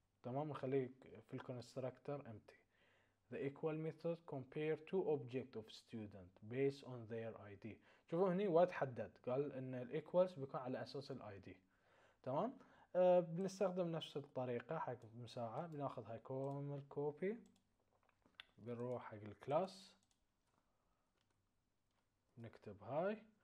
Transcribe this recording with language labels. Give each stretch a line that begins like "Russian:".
Arabic: تمام، نخليه في الكونستراكتر empty.
English: The equal method compare two object of student based on their ID.
Arabic: شوفوا هني وايد حدد، قال ان الايكوالز بيكون على اساس الاي دي. تمام، بنستخدم نفس الطريقة حق مساعدة، بناخذ هاي كومل كوبي، بنروح حق الكلاس نكتب هاي.